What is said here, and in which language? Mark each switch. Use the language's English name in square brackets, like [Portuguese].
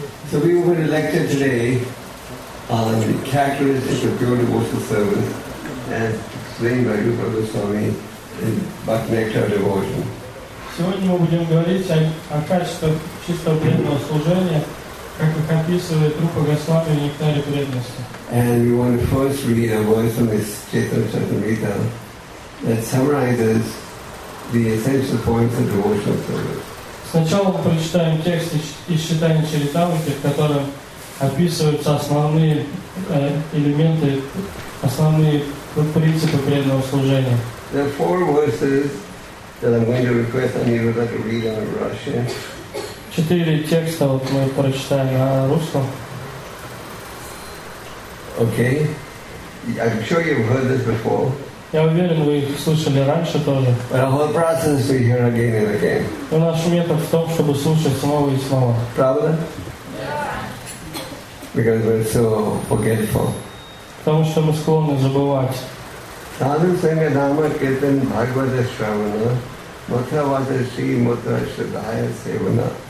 [English] So we were elected today on the characteristics of pure devotional service and explained by Rupa Goswami in Bhakti Nectar Devotion. [Russian] Сегодня мы будем говорить о качествах чистого преданного служения, как их описывает Рупа Госвами в Нектаре Преданности. [English] And we want to first read a verse from his Chaitanya Charitamrita that summarizes the essential points of devotional service. [Russian] Сначала мы прочитаем текст из Читания Чаритамриты, в котором описываются основные элементы, основные принципы преданного служения. [English] There are four verses that I'm going to request Aniruddha to read in Russian. [Russian] Четыре текста вот мы прочитаем на русском. [English] Okay. I'm sure you've heard this before. [Russian] Я уверен, вы их слышали раньше тоже. [English] But our process we hear again and again. [Russian] Но наш метод в том, чтобы слушать снова и снова. Правда? [English] Because we're so forgetful. [Russian] Потому что мы склонны забывать. [Sanskrit] Саду Сэнга Дхамма Киртан Бхагавата Шравана Мутра Вата Ши Мутра Шадая Севана.